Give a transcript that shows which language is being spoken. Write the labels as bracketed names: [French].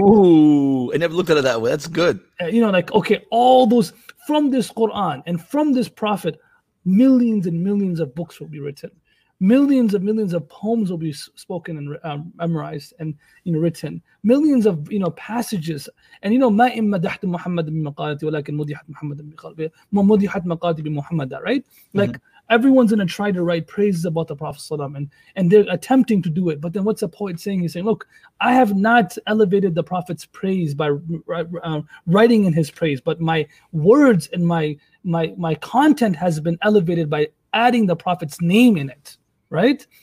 [English] Ooh, I never looked at it that way. That's good. You know, like, okay, all those from this Quran and from this prophet, millions and millions of books will be written. Millions and millions of poems will be spoken and memorized and, you know, written. Millions of, you know, passages. And, you know, [Arabic] ما إن مدحت محمد بمقالتي ولكن مدحت محمد بمقالتي ما مدحت مقالتي بمحمد, [English] right? Like, mm-hmm. everyone's going to try to write praises about the Prophet ﷺ, and they're attempting to do it. But then what's the poet saying? He's saying, look, I have not elevated the Prophet's praise by writing in his praise, but my words and my content has been elevated by adding the Prophet's name in it, right?